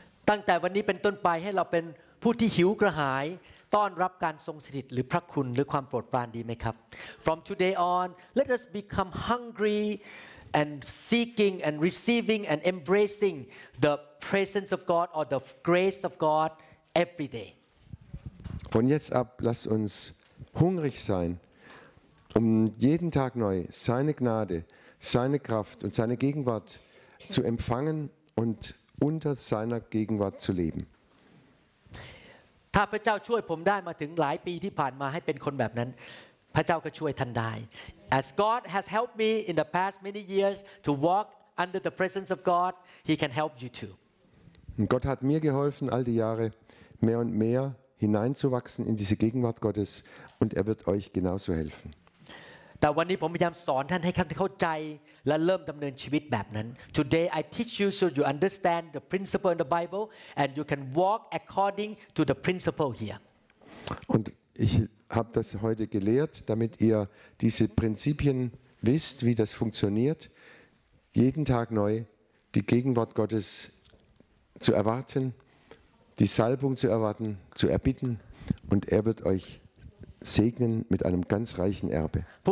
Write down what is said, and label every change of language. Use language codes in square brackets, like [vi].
[th] ตั้งแต่วันนี้เป็นต้นไปให้เราเป็นผู้ที่หิวกระหายต้อนรับการทรงสถิตหรือพระคุณหรือความโปรดปรานดีไหมครับ [en] From today on let us become hungryand seeking and receiving and embracing the presence of God or the grace of God every day. [de] Von jetzt ab lass uns hungrig sein, um jeden Tag neu seine Gnade, seine Kraft und seine Gegenwart zu empfangen und unter seiner Gegenwart zu leben. [th] ถ้าพระเจ้าช่วยผมได้มาถึงหลายปีที่ผ่านมาให้เป็นคนแบบนั้นพระเจ้าก็ช่วยท่านได้ [en] As God has helped me in the past many years to walk under the presence of God, He can help you too. [de] Gott hat mir geholfen all die Jahre mehr und mehr hineinzuwachsen in diese Gegenwart Gottes und er wird euch genauso helfen. [th] แต่วันนี้ผมพยายามสอนท่านให้ท่านเข้าใจและเริ่มดำเนินชีวิตแบบนั้น [en] Today I teach you so you understand the principle in the Bible and you can walk according to the principle here. [de] UndIch habe das heute gelehrt, damit ihr diese Prinzipien wisst, wie das funktioniert, jeden Tag neu die Gegenwart Gottes zu erwarten, die Salbung zu erwarten, zu erbitten und er wird euch segnen mit einem ganz reichen Erbe.